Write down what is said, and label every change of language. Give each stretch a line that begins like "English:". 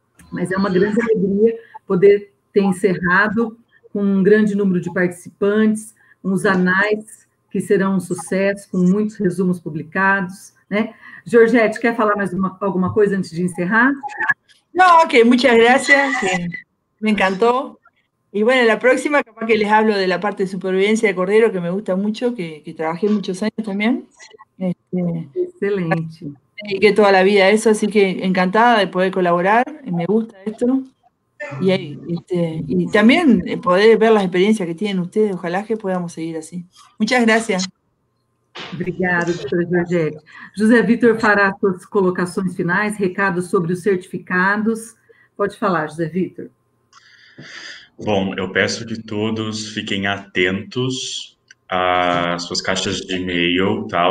Portuguese: Mas é uma grande alegria poder ter encerrado com um grande número de participantes, uns anais que serão um sucesso, com muitos resumos publicados, né? Georgette, quer falar mais alguma coisa antes de encerrar?
Spanish: Não, ok, muchas gracias, me encantó. E, bueno, la próxima, capaz que les hablo de la parte de supervivencia de cordero, que me gusta mucho, que trabajé muchos años también. Excelente. Y que toda la vida eso, así que encantada de poder colaborar, me gusta esto. Y también poder ver las experiencias que tienen ustedes, ojalá que podamos seguir así. Muchas gracias.
Portuguese: Obrigada, doutora Georgette. José Vitor fará suas colocações finais, recados sobre os certificados. Pode falar, José Vitor. Bom, eu peço que todos fiquem atentos às suas caixas de e-mail, tá?